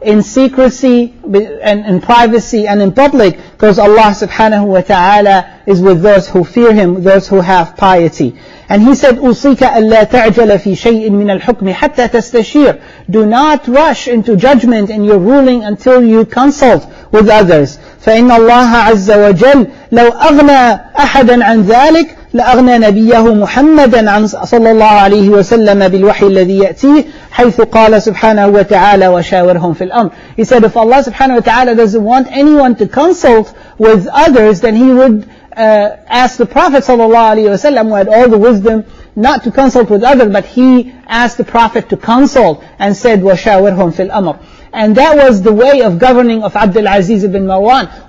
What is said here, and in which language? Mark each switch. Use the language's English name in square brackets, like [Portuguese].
[English] in secrecy and in privacy and in public, because Allah subhanahu wa ta'ala is with those who fear Him, those who have piety. And He said, [Arabic] أُوصِيكَ أَلَّا تَعْجَلَ فِي شَيْءٍ مِّنَ الْحُكْمِ حَتَّى تَسْتَشِيرُ. [English] Do not rush into judgment in your ruling until you consult with others. [Arabic] فَإِنَّ اللَّهَ عَزَّ وَجَلَّ لَوْ أَغْنَى أَحَدًا عَنْ ذَلِكَ لأغنى نبيه محمدا عن صلى الله عليه وسلم بالوحي الذي يأتيه حيث قال سبحانه وتعالى وشاورهم في الأمر. [English] He said if Allah subhanahu wa ta'ala doesn't want anyone to consult with others, then He would ask the Prophet صلى الله عليه وسلم, who had all the wisdom, not to consult with others, but He asked the Prophet to consult and said [Arabic] وشاورهم في الأمر. [English] And that was the way of governing of Abdul Aziz ibn Marwan.